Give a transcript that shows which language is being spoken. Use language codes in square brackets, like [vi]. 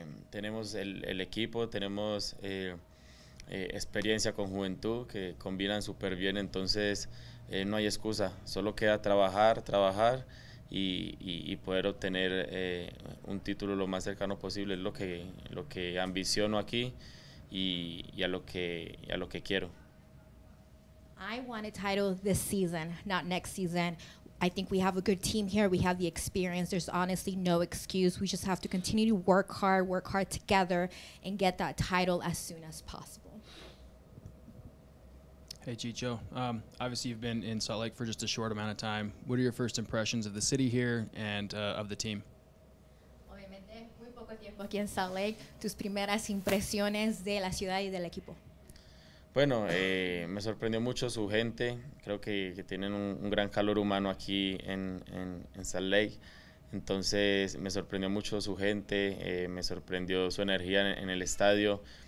[es] Tenemos el equipo, tenemos experiencia con juventud que combinan súper bien, entonces no hay excusa, solo queda trabajar y poder obtener un título lo más cercano posible, es lo que ambiciono aquí y a lo que quiero. [en] I want a title this season, not next season. I think we have a good team here, we have the experience, there's honestly no excuse, we just have to continue to work hard together and get that title as soon as possible. Hey, Chicho. Obviously, you've been in Salt Lake for just a short amount of time. What are your first impressions of the city here and of the team? [es] Obviamente, muy poco tiempo aquí en Salt Lake. Tus primeras impresiones de la ciudad y del equipo. Bueno, me sorprendió mucho su gente. Creo que tienen un gran calor humano aquí en Salt Lake. Entonces, me sorprendió mucho su gente. Me sorprendió su energía en el estadio.